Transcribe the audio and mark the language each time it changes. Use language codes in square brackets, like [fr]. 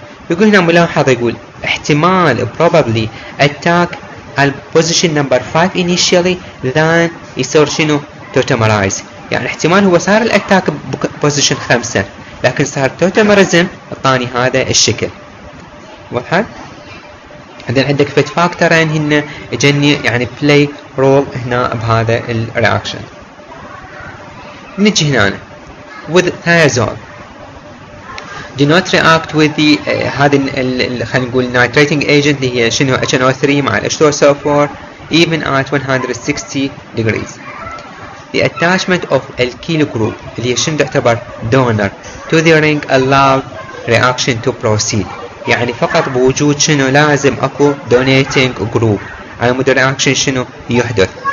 [ar] يقول هنا ملاحظة يقول احتمال [en] probably attack at position number 5 initially then [ar] يصير شنو؟ totemerize، يعني احتمال هو صار الاتاك بposition 5 لكن صار totemerism الثاني هذا الشكل. واضح؟ عندنا عندك فت فاكتورين هن جني يعني بلاي رول هنا بهذا الرياكشن. نجي هنا أنا. [en] With thiazole do not react with the [ar] هذا ال خلينا نقول [en] nitrating agent [ar] اللي هي شنو [en] HNO3 [ar] مع [en] H2SO4 even at 160 degrees. The attachment of alkyl group [ar] اللي هي شنو تعتبر donor [en] to the ring allowed reaction to proceed، [ar] يعني فقط بوجود شنو لازم اكو [en] donating group [ar] على مود الرياكشن شنو يحدث.